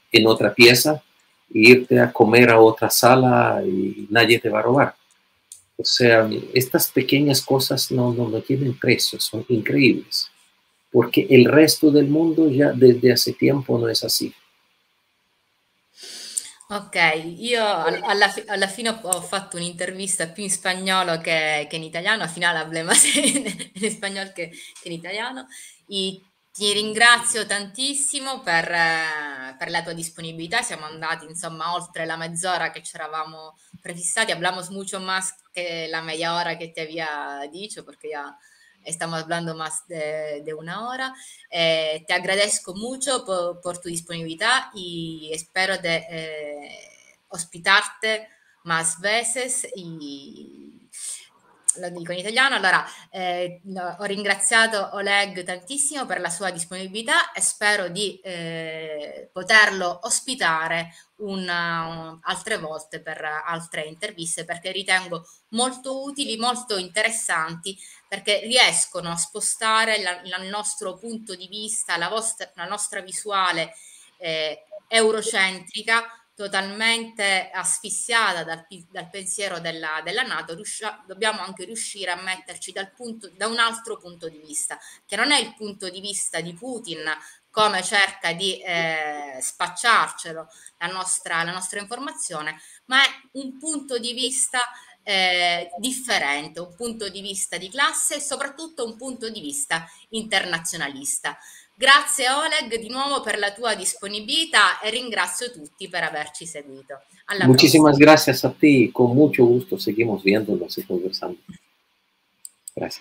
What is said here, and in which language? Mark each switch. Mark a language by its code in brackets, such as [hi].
[es] en otra pieza e irte a comer a otra sala y nadie te va a robar. O sea, estas pequeñas cosas no tienen precio, son increíbles. Porque el resto del mundo ya desde hace tiempo no es así. [it] Ok, io alla fine ho fatto un'intervista più in spagnolo che in italiano, al finale [es] hablemos más [it] in spagnolo che in italiano, e ti ringrazio tantissimo per la tua disponibilità, siamo andati insomma oltre la mezz'ora che ci eravamo prefissati, [es] hablamos mucho más que la media hora [it] che ti [es] había dicho, [it] perché [es] ya estamos hablando más de una hora. Te agradezco mucho por tu disponibilidad y espero de ospitarte más veces. Y lo digo en italiano. [it] Allora, ho ringraziato Oleg tantissimo per la sua disponibilità e spero di poterlo ospitare altre volte per altre interviste, perché ritengo molto utili, molto interessanti, perché riescono a spostare il nostro punto di vista, la nostra visuale eurocentrica, totalmente asfissiata dal pensiero della NATO, dobbiamo anche riuscire a metterci da un altro punto di vista, che non è il punto di vista di Putin, come cerca di spacciarcelo la nostra informazione, ma è un punto di vista differente, un punto di vista di classe e soprattutto un punto di vista internazionalista. Grazie Oleg di nuovo per la tua disponibilità e ringrazio tutti per averci seguito. Alla [es] Muchísimas [it] prossima. [es] Gracias a ti, con mucho gusto seguimos viéndolo, conversando. [it] Grazie.